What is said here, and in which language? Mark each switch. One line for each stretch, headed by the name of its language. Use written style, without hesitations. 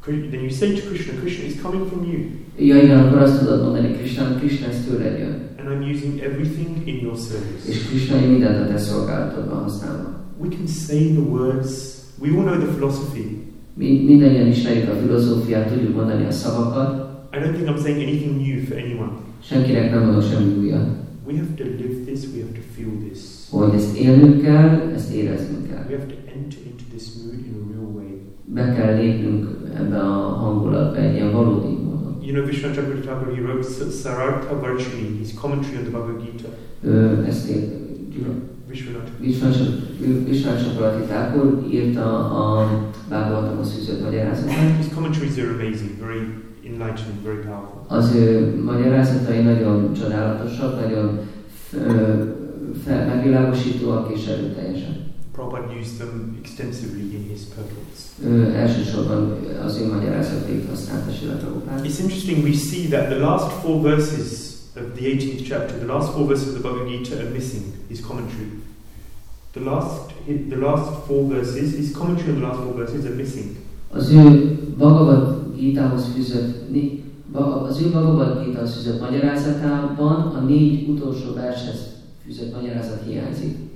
English: Then you say to Krishna, Krishna is coming from you.
Hungarian: Igen, akkor azt tudod mondani, Krishna ezt tőled jön.
English: And I'm using everything in your service.
Hungarian: És Krishna én mindent a te szolgálatodban használom.
English: We can say the words, we all know the philosophy.
Hungarian: Mindannyian ismerjük a filozófiát, tudjuk mondani a szavakat.
English: I don't think I'm saying anything new for anyone.
Hungarian: Senkinek nem mondok semmi újat.
English: We have to live this, we have to feel this.
Hungarian: Hogy ezt élnünk kell, ezt éreznünk kell.
English: We have to enter into this mood in a real way.
Hungarian: Be kell lépnünk ebbe a hangulatba, egy ilyen valódi módon.
English: you know, Vishwan Chakravarti Thakur, he wrote Sararta Varshini, his commentary on the Bhagavad Gita.
Hungarian: Vishwan Chakravarti Thakur írta a Bhagavatam a szűzött magyarázatát.
English: His commentaries are amazing, very enlightening, very powerful.
Hungarian: Az ő magyarázatai nagyon csodálatosak, nagyon megvilágosítóak és erőteljesen.
English: Prabhupada used them extensively in his purports.
Hungarian: Elsősorban az ő magyarázatait használta Srila Prabhupada.
English: It's interesting, we see that the last four verses of the 18th chapter, the last four verses of the Bhagavad Gita are missing his commentary. The last four verses, his commentary on the last four verses are missing.
Hungarian: Az ő Bhagavad Gita-hoz fűzött, az ő Bhagavad Gita-hoz fűzött magyarázatában a négy utolsó vershez fűzött magyarázat hiányzik.